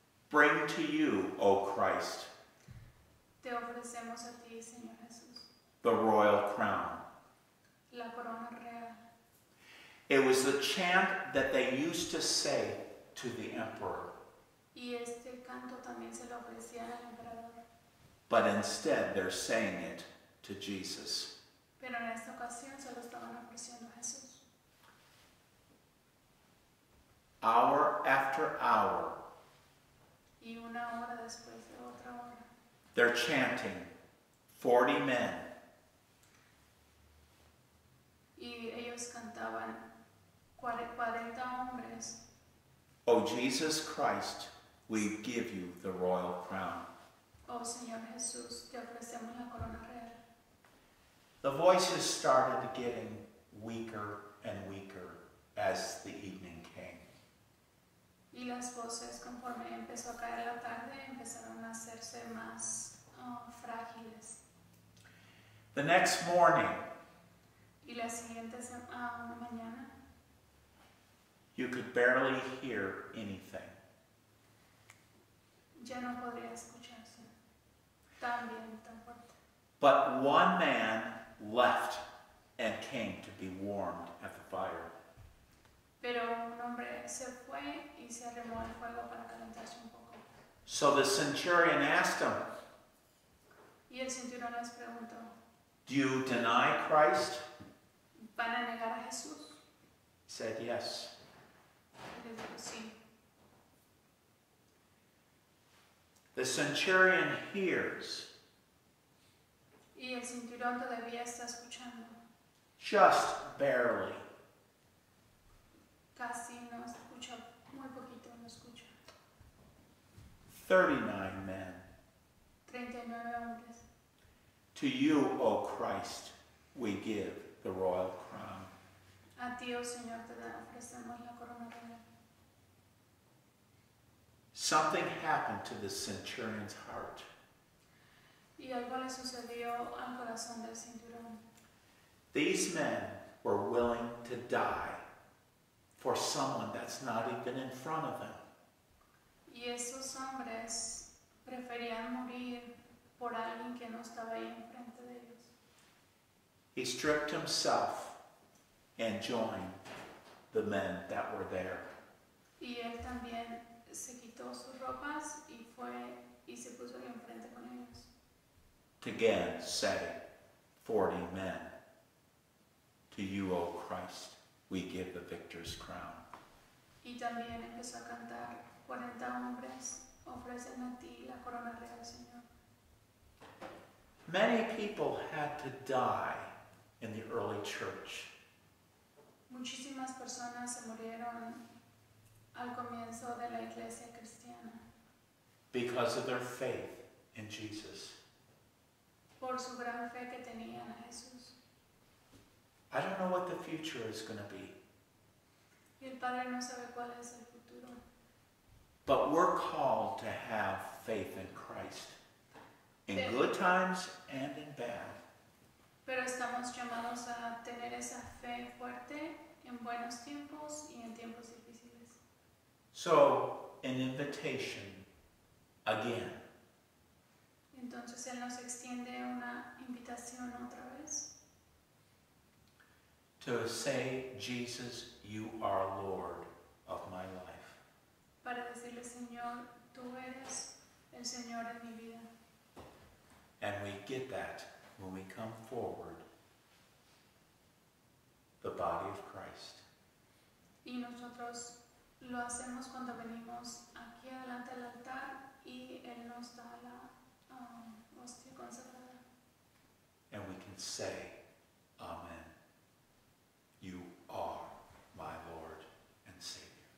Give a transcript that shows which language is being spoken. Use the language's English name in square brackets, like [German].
[English] Bring to you, O Christ. [Spanish] Te ofrecemos a ti, Señor Jesús. [English] The royal crown. [Spanish] La corona real. [English] It was the chant that they used to say to the emperor. [Spanish] Y este canto también se lo ofrecían al emperador. [English] But instead, they're saying it to Jesus. [Spanish] Pero en esta ocasión se lo estaban ofreciendo a Jesús. [English] Hour after hour. [Spanish] Y una hora después de otra hora. [English] They're chanting, 40 men. [Spanish] Y ellos cantaban, 40 hombres. [English] O Jesus Christ, we give you the royal crown. [Spanish] Oh, Señor Jesús, te ofrecemos la corona real. [English] The voices started getting weaker and weaker as the evening came. [Spanish] Y las voces, conforme empezó a caer la tarde, empezaron a hacerse más frágiles. [English] The next morning. [Spanish] Y la siguiente mañana. [English] You could barely hear anything. [Spanish] Ya no podría escucharse. Tan bien, tan fuerte. [English] But one man left and came to be warmed at the fire. [Spanish] Pero un hombre se fue y se arrimó al fuego para calentarse un poco. [English] So the centurion asked him. [Spanish] Y el centurión les preguntó. [English] Do you deny Christ? [Spanish] ¿Van a negar a Jesús? [English] Said yes. The centurion hears. [Spanish] Y el centurión todavía está escuchando. [English] Just barely. [Spanish] Casi no escucha, muy poquito no escucha. [English] 39 men. [Spanish] 39 hombres. [English] To you, O Christ, we give the royal crown. [Spanish] A ti, oh Señor, te ofrecemos la corona real. [English] Something happened to the centurion's heart. [Spanish] Y algo le sucedió al corazón del centurión. [English] These men were willing to die for someone that's not even in front of them. [Spanish] Y esos hombres preferían morir por alguien que no estaba ahí enfrente de ellos. [English] He stripped himself and joined the men that were there. [Spanish] Y él también se quitó sus ropas y fue y se puso ahí enfrente con ellos. [English] Again, say, 40 men. To you, O Christ, we give the victor's crown. [Spanish] Y también empezó a cantar, 40 hombres ofrecen a ti la corona real, Señor. [English] Many people had to die in the early church. [Spanish] Muchísimas personas se murieron al comienzo de la iglesia cristiana. [English] Because of their faith in Jesus. [Spanish] Por su gran fe que tenían a Jesús. [English] I don't know what the future is going to be. [Spanish] Y el Padre no sabe cuál es el futuro. [English] But we're called to have faith in Christ. In good times and in bad. [Spanish] Pero estamos llamados a tener esa fe fuerte en buenos tiempos y en tiempos difíciles. [English] So, an invitation again. [Spanish] Entonces Él nos extiende una invitación otra vez. [English] To say, Jesus, you are Lord of my life. [Spanish] Para decirle, Señor, tú eres el Señor de mi vida. [English] And we get that when we come forward, the body of Christ. [Spanish] Y nosotros lo hacemos cuando venimos aquí adelante al altar y Él nos da la hostia consagrada. [English] And we can say, Amen. You are my Lord and Savior.